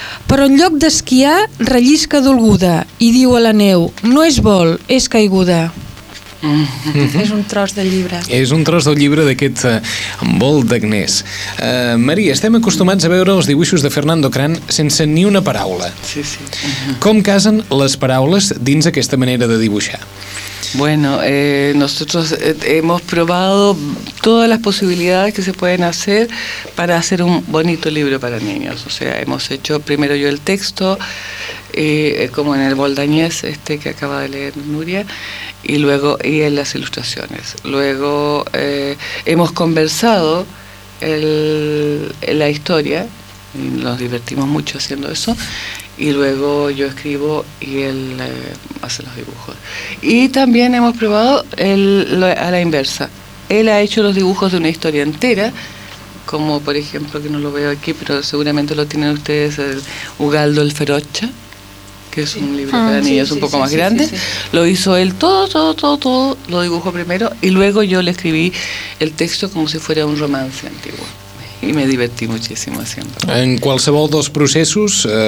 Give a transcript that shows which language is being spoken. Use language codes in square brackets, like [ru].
[ca] Però en lloc d'esquiar, rellisca dolguda i diu a la neu, no és vol, és caiguda. És un tros del llibre. És un tros del llibre d'aquest Vol d'Agnès. Maria, estem acostumats a veure els dibuixos de Fernando Crán sense ni una paraula. Sí, sí. Com casen les paraules dins aquesta manera de dibuixar? [es] Bueno, nosotros hemos probado todas las posibilidades que se pueden hacer para hacer un bonito libro para niños. O sea, hemos hecho primero yo el texto, como en el Vol d'Agnès, este que acaba de leer Núria, y en las ilustraciones. Luego hemos conversado la historia, y nos divertimos mucho haciendo eso, y luego yo escribo y él hace los dibujos. Y también hemos probado a la inversa. Él ha hecho los dibujos de una historia entera, como por ejemplo, que no lo veo aquí, pero seguramente lo tienen ustedes, el Ugaldo el Ferocha, que es un libro para niños un poco más grande. Sí, sí, sí. Lo hizo él todo, lo dibujó primero, y luego yo le escribí el texto como si fuera un romance antiguo. I me divertí moltíssim haciendo. [ca] En qualsevol dels processos...